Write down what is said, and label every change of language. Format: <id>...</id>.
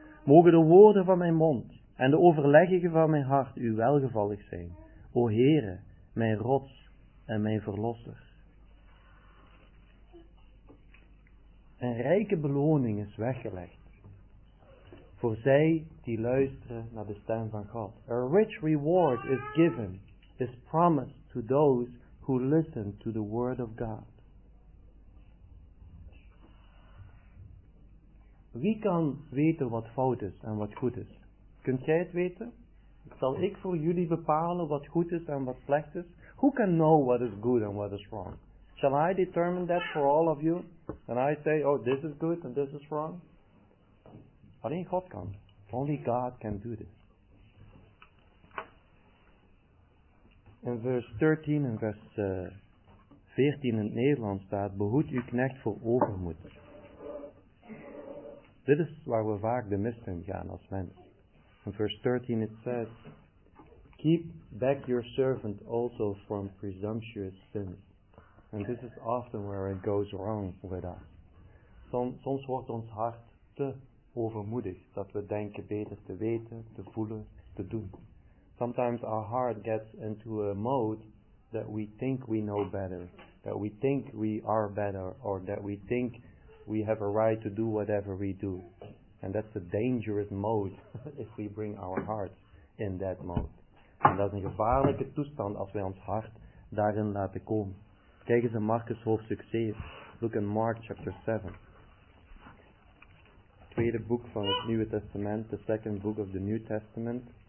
<nl>Mogen de woorden van mijn mond en de overleggingen van mijn hart u welgevallig zijn. O Heere, mijn rots en mijn verlosser. Een rijke beloning is weggelegd voor zij die luisteren naar de stem van God.</nl> <en>A rich reward is given, is promised to those who listen to the word of God.</en> <nl>Wie kan weten wat fout is en wat goed is? Kunt jij het weten? Zal ik voor jullie bepalen wat goed is en wat slecht is?</nl> <en>Who can know what is good and what is wrong? Shall I determine that for all of you? And I say, oh, this is good and this is wrong?</en> <nl>Alleen God kan.</nl> <en>Only God can do this.</en> <nl>In vers 13 en vers 14 in het Nederlands staat, behoed uw knecht voor overmoed. Dit is waar we vaak de mist in gaan als mens.</nl> <en>In vers 13 it says, keep back your servant also from presumptuous sins. And this is often where it goes wrong with us.</en> <nl>Soms wordt ons hart te overmoedig, dat we denken beter te weten, te voelen, te doen.</nl> <en>Sometimes our heart gets into a mode that we think we know better, that we think we are better, or that we think we have a right to do whatever we do. And that's a dangerous mode if we bring our hearts in that mode.</en> <nl>En dat is een gevaarlijke toestand als wij ons hart daarin laten komen. Kijk eens in Marcus hoofdstuk 7.</nl> <en>Look in Mark chapter 7.</en> <nl>Tweede boek van het Nieuwe Testament,</nl> <en>the second book of the New Testament.</en>